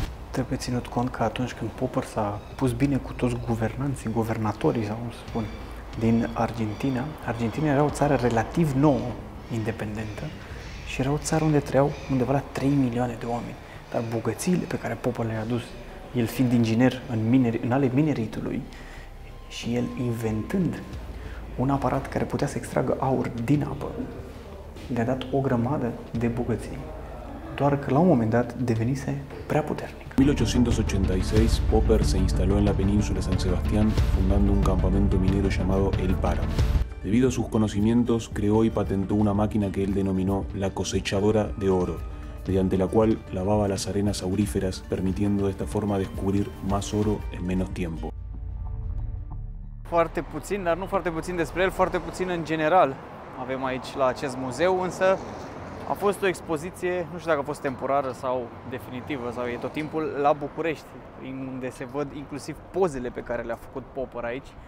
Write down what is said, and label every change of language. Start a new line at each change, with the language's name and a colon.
Romanian: Trebuie ținut cont că atunci când Popper s-a pus bine cu toți guvernanții, guvernatorii, sau cum să spun, din Argentina, Argentina era o țară relativ nouă, independentă, și era o țară unde trăiau undeva la 3 milioane de oameni. Dar bogățiile pe care Popper le-a adus, el fiind inginer în, în ale mineritului și el inventând un aparat care putea să extragă aur din apă, le-a dat o grămadă de bogății. Doar că la un moment dat devenise prea puternic.
Spanish: En 1886, Popper se instaló en la península San Sebastián, fundando un campamento minero llamado El Páramo. Debido a sus conocimientos, creó y patentó una máquina que él denominó la cosechadora de oro, mediante la cual lavaba las arenas auríferas, permitiendo de esta forma descubrir más oro en menos tiempo.
Romanian: Foarte puțin, dar nu foarte puțin despre el, foarte puțin în general. Avem aici la acest muzeu, însă a fost o expoziție, nu știu dacă a fost temporară sau definitivă sau e tot timpul, la București, unde se văd inclusiv pozele pe care le-a făcut Popper aici.